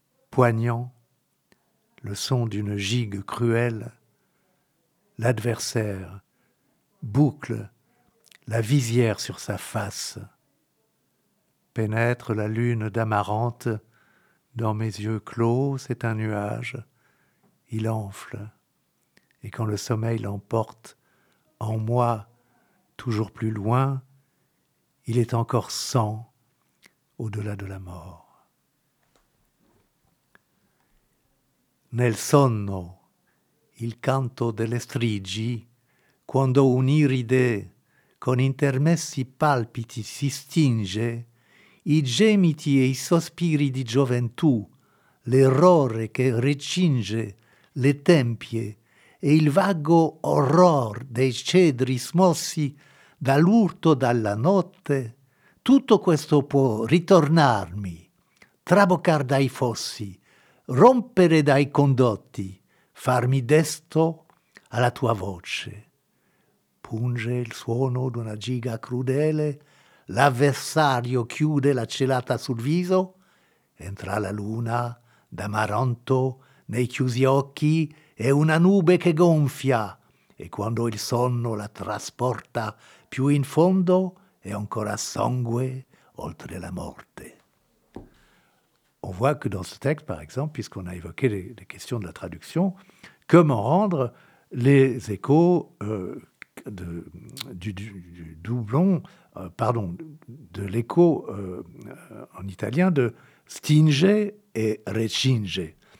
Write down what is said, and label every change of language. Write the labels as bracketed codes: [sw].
[fr] poignant le son d'une gigue cruelle, l'adversaire boucle la visière sur sa face, pénètre la lune d'amarante dans mes yeux clos, c'est un nuage, il enfle, et quand le sommeil l'emporte en moi, toujours plus loin, il est encore sang au-delà de la mort. [it] Nel sonno, il canto delle strigi, quando un'iride con intermessi palpiti si stinge, i gemiti e i sospiri di gioventù, l'errore che recinge le tempie e il vago orror dei cedri smossi dall'urto dalla notte, tutto questo può ritornarmi, traboccar dai fossi, rompere dai condotti, farmi desto alla tua voce. Punge il suono d'una giga crudele, l'avversario chiude la celata sul viso, entra la luna d'amaranto nei chiusi occhi e una nube che gonfia, e quando il sonno la trasporta più in fondo è ancora sangue oltre la morte. [fr] On voit que dans ce texte, par exemple, puisqu'on a évoqué les questions de la traduction, comment rendre les échos du doublon, pardon, de l'écho en italien de stinge et recinge.